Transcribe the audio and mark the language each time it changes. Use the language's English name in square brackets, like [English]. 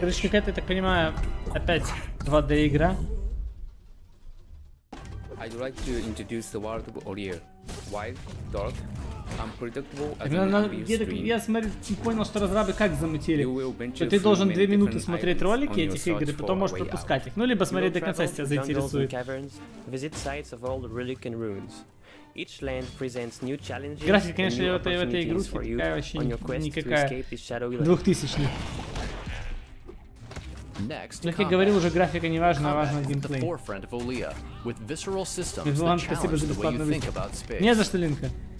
[Russian] Короче, какая-то, я так понимаю, опять 2D игра. [English] I'd like to introduce the world of Oria. Wild, dark, unpredictable, as an obvious stream. [Russian] Я понял, что разрабы как замутили. Что ты должен 2 минуты смотреть ролики этих игр, и потом можешь пропускать их. Ну, либо смотреть до конца, если тебя заинтересует. [English] Caverns, visit sites of old relic and ruins. Each land presents new challenges. [Russian] Графика, конечно, в этой игрушке такая вообще никакая. 2000-й. Как я говорил, уже графика не важна, а важен геймплей. Вилан, спасибо за бесплатную выставку. Не за что, Линка.